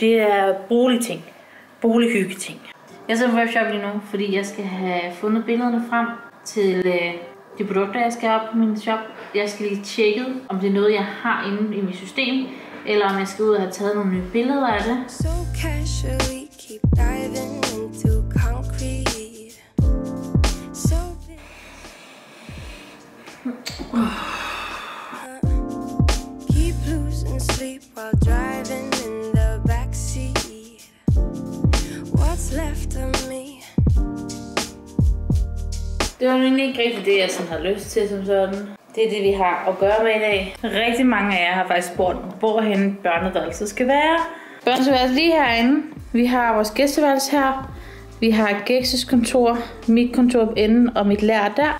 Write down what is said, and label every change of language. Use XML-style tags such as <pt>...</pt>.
<da>Det er boligting. Bolighyggeting. Jeg sidder på webshop lige nu, fordi jeg skal have fundet billederne frem til de produkter, jeg skal have op på min shop. Jeg skal lige tjekke, om det er noget, jeg har inde i mit system, eller om jeg skal ud og have taget nogle nye billeder af det.</da> <en>So casually keep diving into concrete. So... keep losing sleep while driving in the backseat. What's left of me?</en> <da>Det var egentlig ikke rigtig det, jeg sådan havde lyst til som sådan. Det er det, vi har at gøre med i dag. Rigtig mange af jer har faktisk spurgt, hvorhen børneværelset skal være. Børneværelset skal være lige herinde. Vi har vores gæsteværelse her. Vi har Gekses kontor, mit kontor på enden og mit lær der.</da>